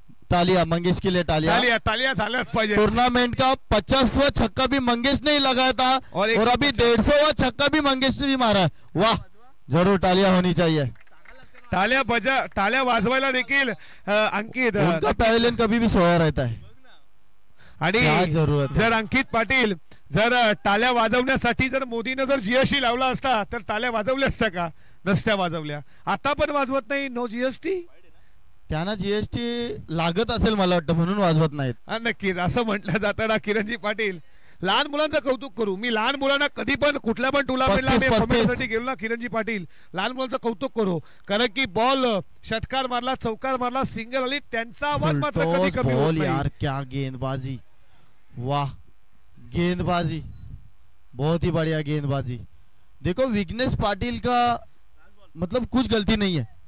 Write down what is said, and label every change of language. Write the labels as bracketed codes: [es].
[hi] तालिया मंगेश के लिए, तालिया [mr] तालिया तालिया झालंच पाहिजे। [hi] टूर्नामेंट का 50वा छक्का भी मंगेश ने लगाया था और अभी 150वा छक्का भी मंगेश ने भी मारा, वाह जरूर तालिया होनी चाहिए, तालिया बजा, [mr] तालिया वाजवायला देखील अंकित, [hi] उनका पवेलियन कभी भी सोया रहता है। [mr] आणि जर अंकित पाटील जर टाळ्या वाजवण्यासाठी जर मोदीने जर जीएसटी लावला असता तर टाळ्या वाजवल्या असत्या का? नसत्या वाजवल्या. आता पण वाजवत नाही नो जीएसटी. त्यांना जीएसटी लागत असेल मला वाटतं म्हणून वाजवत नाहीत. नक्कीच असं म्हटलं जातं ना किरणजी पाटील. लहान मुलांचं कौतुक करू. मी लहान मुलांना कधी पण कुठल्या पण टुर्नामेंटला गेलो ना किरणजी पाटील, लहान मुलांचं कौतुक करू. कारण की बॉल षटकार मारला, चौकार मारला, सिंगल आली, त्यांचा आवाज मात्र कधी कमी होत नाही. [hi] क्या गेंदबाजी, वाह गेंदबाजी, बहुत ही बढ़िया गेंदबाजी. देखो विघ्नेश पाटील का मतलब कुछ गलती नहीं है.